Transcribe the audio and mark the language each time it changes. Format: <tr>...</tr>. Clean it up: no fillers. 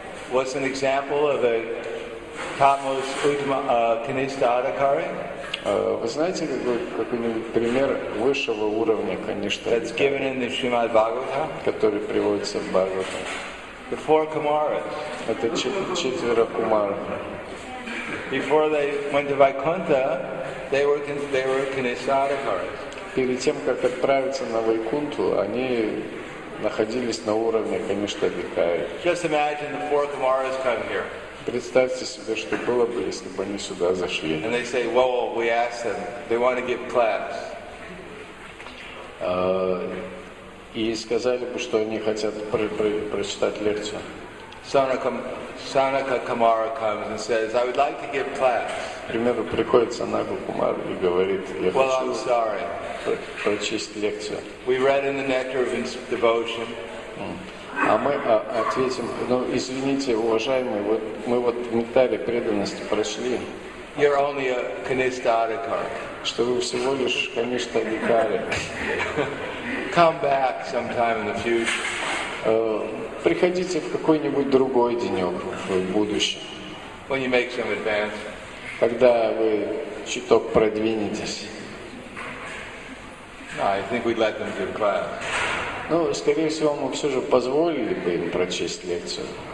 <en>What's an example of a topmost Kanishadhikari?</en> <ru>Вы знаете какой-нибудь пример высшего уровня Канишки?</ru> <en>That's given in the Srimad Bhagavatam.</en> <ru>Который приводится в Бхагаватам.</ru> <en>The four Kumaras.</en> <ru>Это четверо Кумаров.</ru> <en>Before they went to Vaikuntha, they were Kanishadhikaris.</en> <ru>Перед тем как отправиться на Вайкунту, они находились на уровне Канишадхикари.</ru> <en>Just imagine the four Kumaras come here.</en> <ru>Представьте себе, что было бы, если бы они сюда зашли.</ru> <en>And they say, "Whoa, well, we asked them. They want to give class."</en> <ru>И сказали бы, что они хотят прочитать лекцию.</ru> <en>Sanaka Kumara comes and says, "I would like to give class."</en> <ru>Например, приходит Санака Кумар и говорит, я хочу прочесть лекцию.</ru> <en>We read in the nectar of devotion.</en> <ru>А мы ответим, ну извините, уважаемый, вот мы вот в нектаре преданности прочли.</ru> <en>You're only a Kanishadhikari.</en> <ru>Что вы всего лишь Kanishadhikari.</ru> <en>Come back sometime in the future.</en> <ru>Приходите в какой-нибудь другой денек в будущем.</ru> <en>When you make some advance.</en> <ru>Когда вы чуток продвинетесь.</ru> <en>No, I think we'd let them do class.</en> <ru>Ну, скорее всего, мы все же позволили бы им прочесть лекцию.</ru>